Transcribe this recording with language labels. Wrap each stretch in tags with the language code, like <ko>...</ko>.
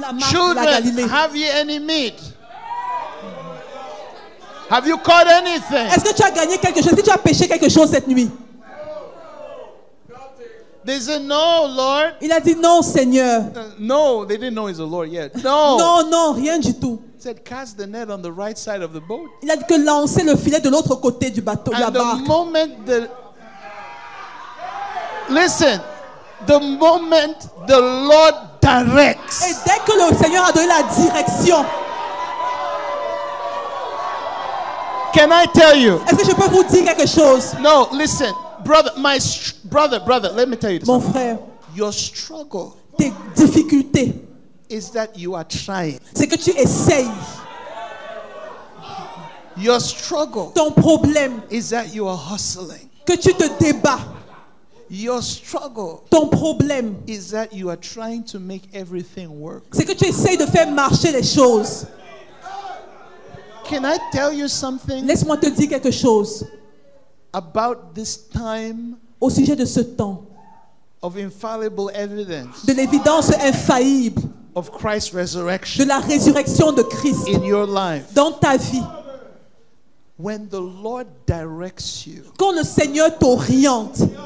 <en>Children, have you any meat? Have you caught anything?</en> <fr>Est-ce que tu as gagné quelque chose? Est-ce que tu as pêché quelque chose cette nuit?</fr> <en>They said no, Lord.</en> <fr>Il a dit non, Seigneur.</fr> <en>No, they didn't know he's the Lord yet. No.</en> <fr>Non, non, rien du tout.</fr> <en>He said, cast the net on the right side of the boat.</en> <fr>Il a dit que lancer le filet de l'autre côté du bateau, la barque.</fr> <en>And the moment the listen, the moment the Lord directs.</en> <fr>Et dès que le Seigneur a donné la direction.</fr> <en>Can I tell you?</en> <fr>Est-ce que je peux vous dire quelque chose?</fr> <en>No, listen. Brother, let me tell you this.</en> <fr>Mon frère,</fr> <en>your struggle,</en> <fr>tes difficultés,</fr> <en>is that you are trying.</en> <fr>C'est que tu essayes.</fr> <en>Your struggle,</en> <fr>ton problème,</fr> <en>is that you are hustling.</en> <fr>Que tu te débats.</fr> <en>Your struggle,</en> <fr>ton problème,</fr> <en>is that you are trying to make everything work.</en> <fr>C'est que tu essayes de faire marcher les choses.</fr> <en>Can I tell you something?</en> <fr>Laisse-moi te dire quelque chose.</fr> <en>About this time,</en> <fr>au sujet de ce temps,</fr> <en>of infallible evidence,</en> <fr>de l'évidence infaillible,</fr> <en>of Christ's resurrection,</en> <fr>de la résurrection de Christ,</fr> <en>in your life,</en> <fr>dans ta vie.</fr> <en>When the Lord directs you,</en> <fr>quand le Seigneur t'oriente,</fr>